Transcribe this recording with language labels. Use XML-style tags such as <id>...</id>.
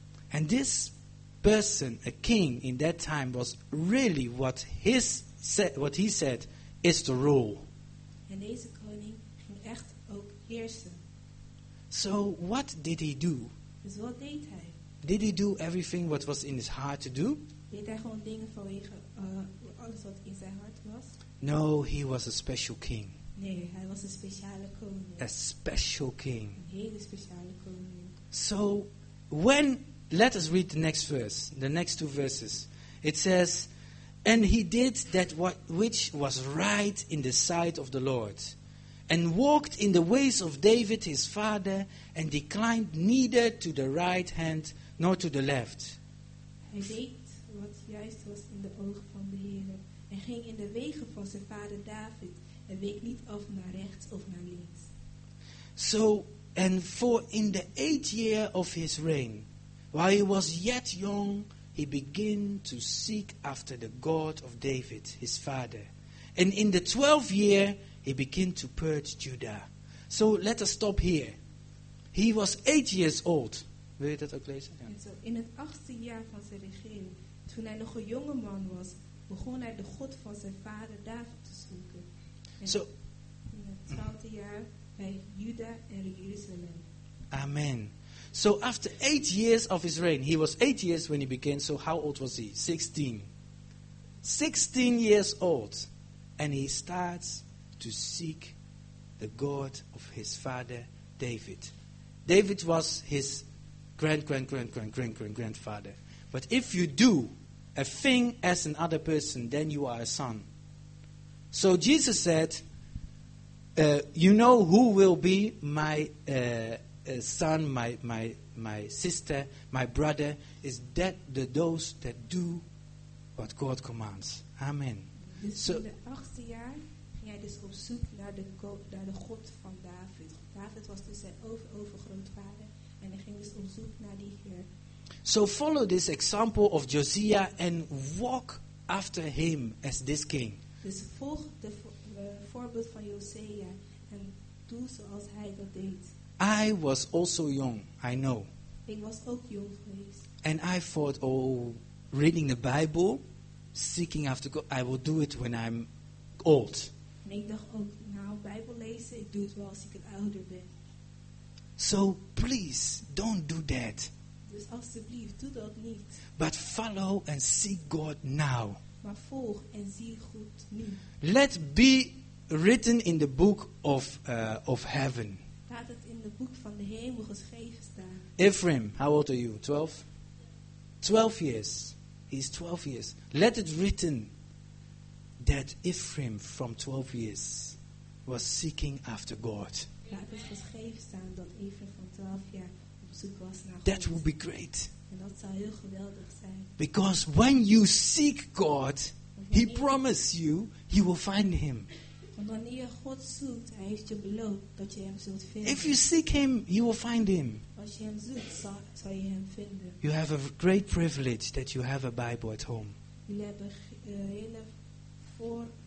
<en>And this person, a king in that time, was really what he said is the rule.</en> <nl>En deze koning ging echt ook heersen.</nl> <en>So what did he do?</en> <nl>Dus wat deed hij?</nl> <en>Did he do everything what was in his heart to do?</en> <nl>Deed hij gewoon dingen vanwege alles wat in zijn hart was?</nl> <en>No, he was a special king.</en> <nl>Nee, hij was een speciale koning.</nl> <en>A special king.</en> <nl>Een hele speciale koning.</nl> <en>So when, let us read the next verse, the next two verses. It says, and he did that which was right in the sight of the Lord, and walked in the ways of David his father, and declined neither to the right hand nor to the left.</en> <nl>Hij deed wat juist was in de ogen van de Heere, en ging in de wegen van zijn vader David, en week niet af naar rechts of naar links.</nl> <en>So, and for in the eighth year of his reign, while he was yet young, he began to seek after the God of David, his father. And in the 12th year, he began to purge Judah. So let us stop here. He was 8 years old.</en> <nl>Wil je dat ook lezen? Ja. So, in het achtste jaar van zijn regering, toen hij nog een jonge man was, begon hij de God van zijn vader David te zoeken. En</nl> <en>so,</en> <nl>in het 12th jaar bij Judah en Jeruzalem. Amen.</nl> <en>So after 8 years of his reign, he was 8 years when he began, so how old was he? 16. 16 years old. And he starts to seek the God of his father, David. David was his grandfather. But if you do a thing as another person, then you are a son. So Jesus said, you know who will be my son, my sister, my brother, is that the those that do what God commands. Amen.</en> <nl>Dus so, in de achtste jaar ging hij dus op zoek naar de God van David. David was dus zijn overgrootvader en hij ging dus op zoek naar die Heer.</nl> <en>So follow this example of Josiah and walk after him as this king.</en> <nl>Dus volg het voorbeeld van Josiah en doe zoals hij dat deed.</nl> <en>I was also young, I know.</en> <nl>Ik was ook jong geweest.</nl> <en>And I thought, oh, reading the Bible, seeking after God, I will do it when I'm old.</en> <nl>En ik dacht ook, nou, Bijbel lezen, ik doe het wel als ik ouder ben.</nl> <en>So please, don't do that.</en> <nl>Dus alsjeblieft, doe dat niet.</nl> <en>But follow and seek God now.</en> <nl>Maar volg en zie God nu.</nl> <en>Let be written in the book of heaven.</en> <nl>Laat het in de boek van de hemel geschreven staan.</nl> <en>Ephraim, how old are you? 12? 12 years. He's 12 years. Let it written that Ephraim from 12 years was seeking after God.</en> <nl>Laat het geschreven staan dat Ephraim van 12 jaar op zoek was naar God.</nl> <en>That would be great.</en> <nl>En dat zou heel geweldig zijn.</nl> <en>Because when you seek God, he promises you, you will find him.</en> <nl>Want wanneer je God zoekt, hij heeft je beloofd dat je hem zult vinden.</nl> <en>If you seek him, you will find him.</en> <nl>Als je hem zoekt, zal je hem vinden.</nl> <en>You have a great privilege that you have a Bible at home.</en> <nl>Jullie hebben hele voor.</nl>